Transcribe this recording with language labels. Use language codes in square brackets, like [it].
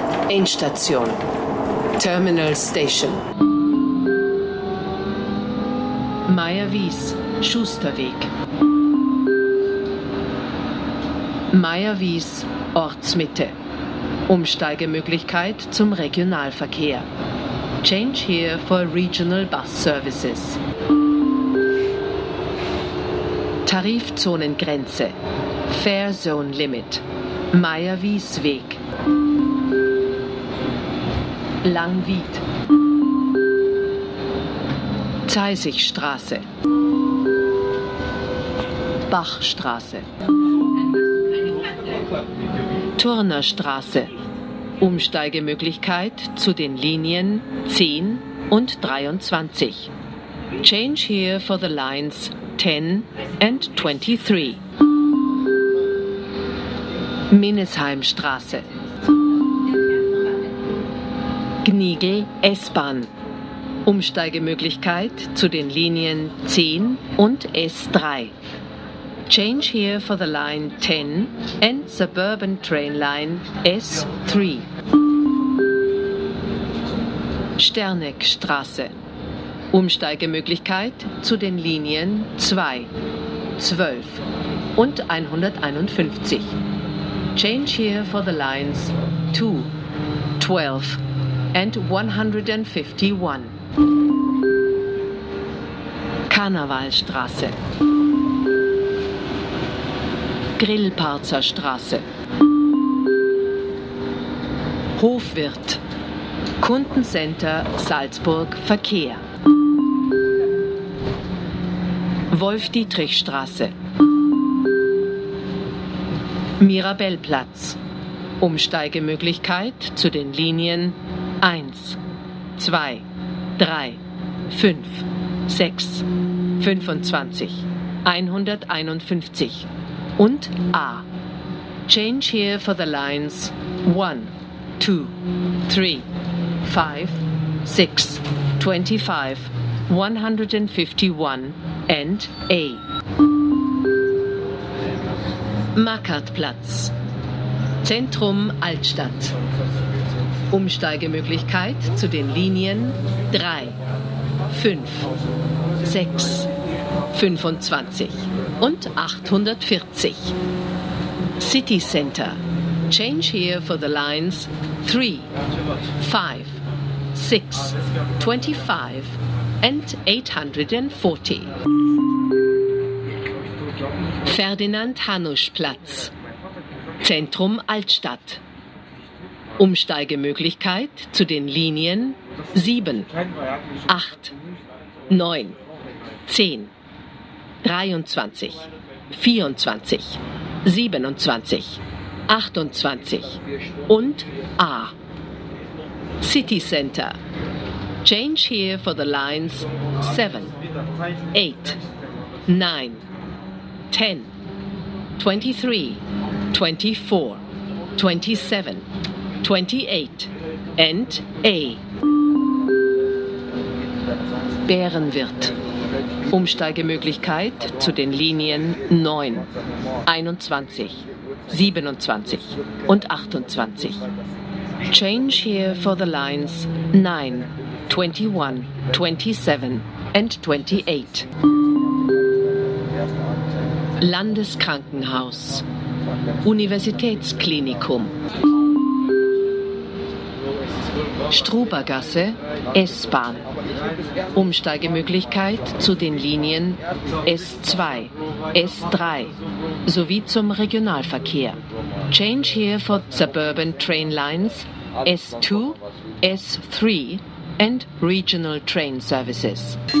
[de] Endstation. [en] Terminal Station. [de] Meyer-Wies, Schusterweg. Meyer-Wies, Ortsmitte. Umsteigemöglichkeit zum Regionalverkehr. [en] Change here for regional bus services. [de] Tarifzonengrenze. [en] Fair Zone Limit. [de] Meyer-Wies Weg. Langwied. Zeisigstraße. Bachstraße. Turnerstraße. Umsteigemöglichkeit zu den Linien 10 und 23. [en] Change here for the lines 10 and 23. [de] Minnesheimstraße. Gniegel S-Bahn. Umsteigemöglichkeit zu den Linien 10 und S3. [en] Change here for the line 10 and suburban train line S3. [de] Sterneckstraße. Umsteigemöglichkeit zu den Linien 2, 12 und 151. [en] Change here for the lines 2, 12 and 151. [de] Karnevalstraße. Grillparzer Straße. Hofwirt. Kundencenter Salzburg Verkehr. Wolf-Dietrich-Straße. Mirabellplatz. Umsteigemöglichkeit zu den Linien 1, 2, 3, 5, 6, 25, 151 und A. [en] Change here for the lines 1, 2, 3, 5, 6, 25, 151 and A. [de] Mackertplatz. Zentrum Altstadt. Umsteigemöglichkeit zu den Linien 3, 5, 6, 25 und 840. [en] City Center. Change here for the lines 3, 5, 6, 25 and 840. [de] Ferdinand-Hanusch-Platz. Zentrum Altstadt. Umsteigemöglichkeit zu den Linien 7, 8, 9, 10, 23, 24, 27, 28 und A. [en] City Center. Change here for the lines 7, 8, 9, 10, 23, 24, 27, 28 and A. [de] Bärenwirt. Umsteigemöglichkeit zu den Linien 9, 21, 27 und 28. [en] Change here for the lines 9, 21, 27 and 28. [de] Landeskrankenhaus. Universitätsklinikum. Strubergasse, S-Bahn. Umsteigemöglichkeit zu den Linien S2, S3 sowie zum Regionalverkehr. [en] Change here for suburban train lines S2, S3 and regional train services.